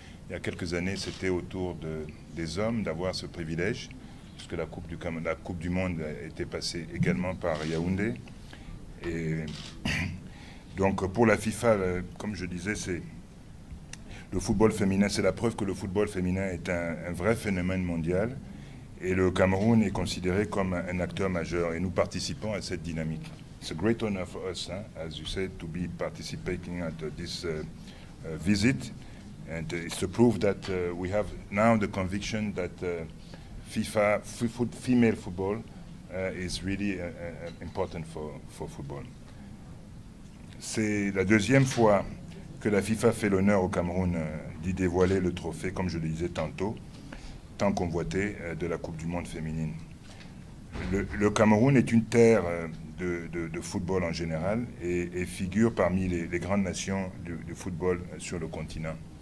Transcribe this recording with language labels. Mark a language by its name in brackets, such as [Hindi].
[French] Il y a quelques années, c'était au tour des hommes d'avoir ce privilège, puisque la Coupe du Monde était passée également par Yaoundé. Et donc pour la FIFA, comme je disais, c'est le football féminin, c'est la preuve que le football féminin est un vrai phénomène mondial. Et le Cameroun est considéré comme un acteur majeur et nous participons à cette dynamique. [English] It's a great honor for us, as you said, to be participating at this visit. And it's to prove that we have now the conviction that female football is really important for football. [French] C'est la deuxième fois que la FIFA fait l'honneur au Cameroun d'y dévoiler le trophée, comme je le disais tantôt, tant convoité de la Coupe du Monde féminine. Le Cameroun est une terre de football en général et figure parmi les grandes nations du football sur le continent.